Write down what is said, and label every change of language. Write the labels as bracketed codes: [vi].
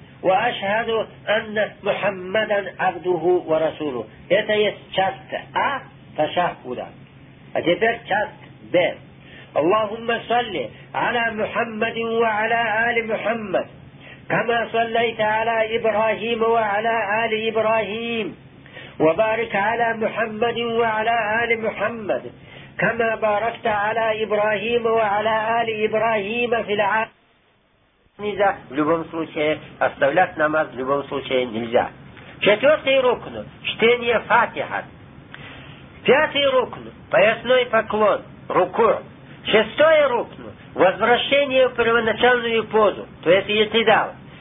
[ar] وأشهد أن محمدا عبده ورسوله. [ru] Это есть часть А тошахуда. А теперь часть Б. [ar] اللهم صل على محمد وعلى آل محمد كما صليت على إبراهيم وعلى آل إبراهيم وبارك على محمد وعلى آل محمد كما باركت على إبراهيم وعلى آل إبراهيم في العالم. [ru] Нельзя в любом случае оставлять намаз, в любом случае нельзя. Четвертый рукн – чтение фатиха. Пятый рукн – поясной поклон, руку. Шестой рукн – возвращение в первоначальную позу, то есть етидал.